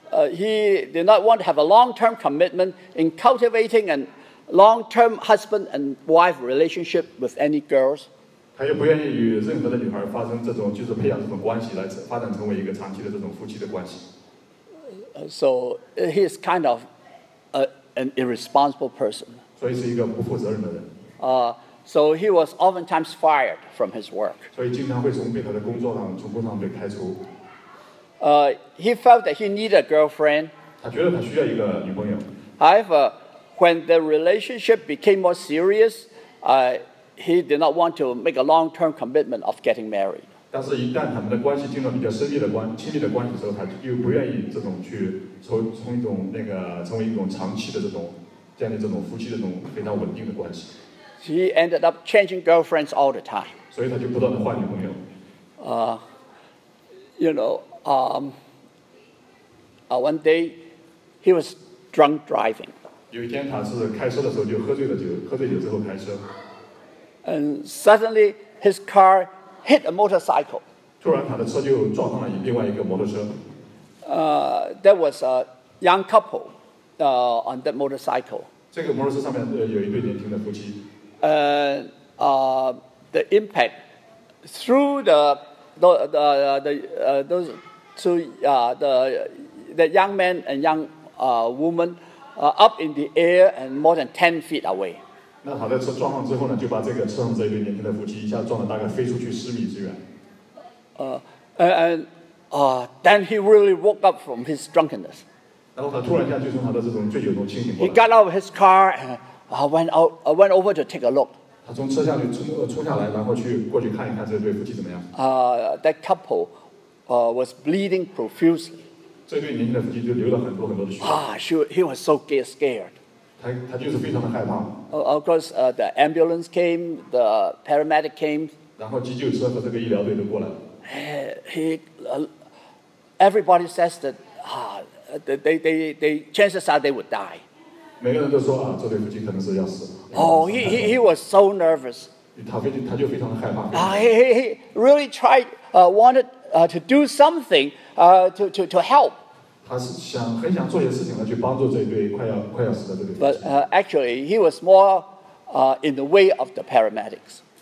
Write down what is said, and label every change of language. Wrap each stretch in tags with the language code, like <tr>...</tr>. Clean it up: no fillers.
<en>He did not want to have a long-term commitment in cultivating a long-term husband and wife relationship with any girls.</en> <zh>他也不愿意与任何的女孩发生这种就是培养这种关系来发展成为一个长期的这种夫妻的关系。</zh> <en>So he is kind of an irresponsible person.</en> <zh>所以是一个不负责任的人。</zh> <en>So he was oftentimes fired from his work.</en> <zh>所以经常会从他的工作上从工作上被开除。</zh> <en>He felt that he needed a girlfriend.</en> <zh>他觉得他需要一个女朋友。</zh> <en>However, when the relationship became more serious, he did not want to make a long-term commitment of getting married.</en> <zh>但是，一旦他们的关系进入比较亲密的关系的时候，他又不愿意这种去成为一种长期的这种建立这种夫妻的这种非常稳定的关系。</zh> <en>He ended up changing girlfriends all the time.</en> <zh>所以他就不断的换女朋友。</zh> <en>One day, he was drunk driving.</en> <zh>有一天，他是开车的时候就喝醉了酒，喝醉酒之后开车。</zh> <en>And suddenly, his car hit a motorcycle.</en> <zh>突然，他的车就撞上了另外一个摩托车。</zh> <en>There was a young couple, on that motorcycle.</en> <zh>这个摩托车上面有一对年轻的夫妻。</zh> <en>the impact through the young man and young woman up in the air and more than 10 feet away.</en> <zh>那好在车撞上之后呢，就把这个车上这一对年轻的夫妻一下撞了大概飞出去十米之远。</zh> <en>Then he really woke up from his drunkenness.</en> <zh>然后他突然间就从他的这种醉酒中清醒过来。</zh> <en>He got out of his car and went over to take a look.</en> <zh>他从车下去冲下来，然后去过去看一看这对夫妻怎么样。</zh> <en>That couple, was bleeding profusely.</en> <zh>这对年轻的夫妻就流了很多很多的血。</zh> <en>He was so scared.</en> <zh>他就是非常的害怕。</zh> <en>Of course, the ambulance came, the paramedic came.</en> <zh>然后急救车和这个医疗队都过来了。</zh> <en>Everybody says that they chances are they would die.</en> <zh>每个人都说啊，这对夫妻可能是要死。</zh> <en>He was so nervous.</en> <zh>他就非常的害怕。</zh> <en>He really tried, wanted to do something, to help. But actually, he was more in the way of the paramedics.</en>